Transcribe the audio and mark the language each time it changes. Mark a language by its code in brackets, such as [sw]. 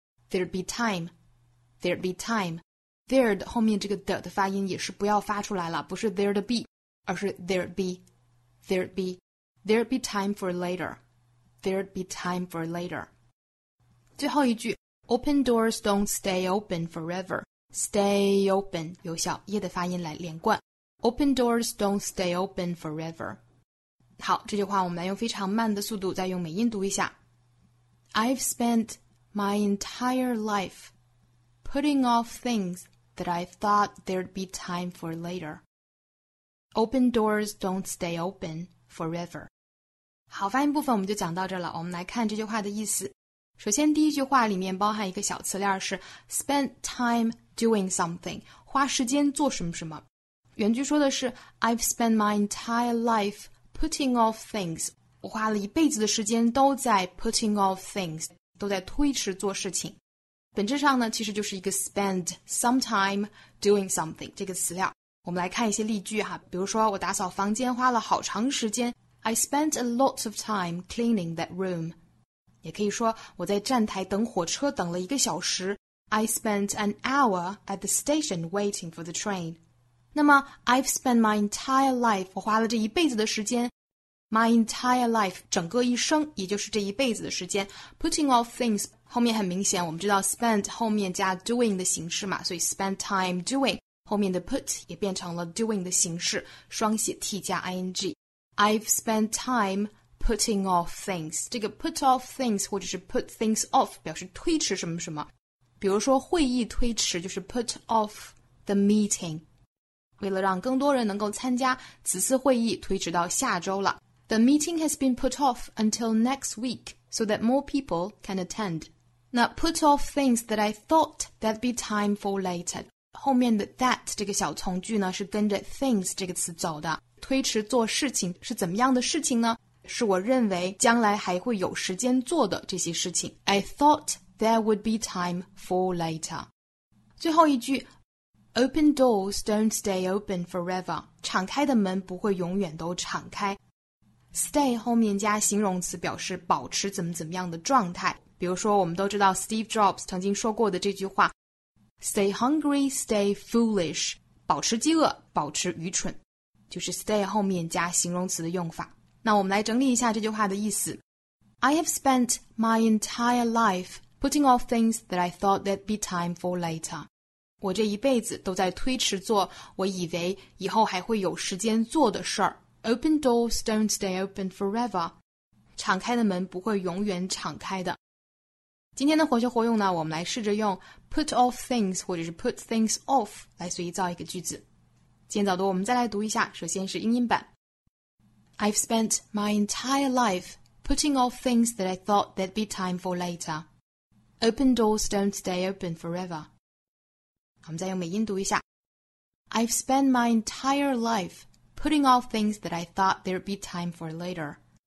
[en] There'd be time There'd 后面这个 the 的发音也是不要发出来了不是 there'd be 而是 there'd be There'd be time for later 最后一句 Open doors don't stay open forever Stay open 有小 ye 的发音来连贯 Open doors don't stay open foreverhow, [zh] 这句话我们来用非常慢的速度再用美音读一下。 [en] I've spent my entire life putting off things that I thought there'd be time for later. Open doors don't stay open forever. [zh] 好，发音部分我们就讲到这了。我们来看这句话的意思。首先第一句话里面包含一个小词链是 spend time doing something, 花时间做什么什么。 [en] 原句说的是 I've spent my entire life putting off things, [zh] 我花了一辈子的时间都在 [en] putting off things, 都在推迟做事情。 [zh] 本质上呢其实就是一个 spend some time doing something 这个词料。我们来看一些例句哈，比如说我打扫房间花了好长时间 [en] I spent a lot of time cleaning that room。 [zh] 也可以说我在站台等火车等了一个小时 [en] I spent an hour at the station waiting for the train。 [zh] 那么 I've spent my entire life, 我花了这一辈子的时间 my entire life, 整个一生也就是这一辈子的时间 putting off things, 后面很明显我们知道 spend 后面加 doing 的形式嘛，所以 spend time doing, 后面的 put 也变成了 doing 的形式双写 t 加 ing, [en] I've spent time putting off things, [zh] 这个 put off things 或者是 put things off 表示推迟什么什么，比如说会议推迟就是 put off the meeting, 为了让更多人能够参加此次会议推迟到下周了。 [en] The meeting has been put off until next week so that more people can attend. [zh] 那 [en] put off things that I thought there'd be time for later. [zh] 后面的 that 这个小从句呢是跟着 things 这个词走的。推迟做事情是怎么样的事情呢？是我认为将来还会有时间做的这些事情。 [en] I thought there would be time for later. [zh] 最后一句 [en] Open doors don't stay open forever. [zh] 敞开的门不会永远都敞开。 [en] Stay [zh] 后面加形容词表示保持怎么怎么样的状态。比如说我们都知道 Steve Jobs 曾经说过的这句话 Stay hungry, stay foolish. 保持饥饿，保持愚蠢。就是 stay 后面加形容词的用法。那我们来整理一下这句话的意思。 [en] I have spent my entire life putting off things that I thought there'd be time for later. [zh] 我这一辈子都在推迟做我以为以后还会有时间做的事儿。 [en] Open doors don't stay open forever. [zh] 敞开的门不会永远敞开的。今天的活学活用呢，我们来试着用 put off things 或者是 put things off 来随意造一个句子。今天早读我们再来读一下，首先是英音版。 [en] I've spent my entire life putting off things that I thought there'd be time for later. Open doors don't stay open forever. [zh] 我们再用美音读一下。 [en] I've spent my entire life putting off things that I thought there'd be time for later.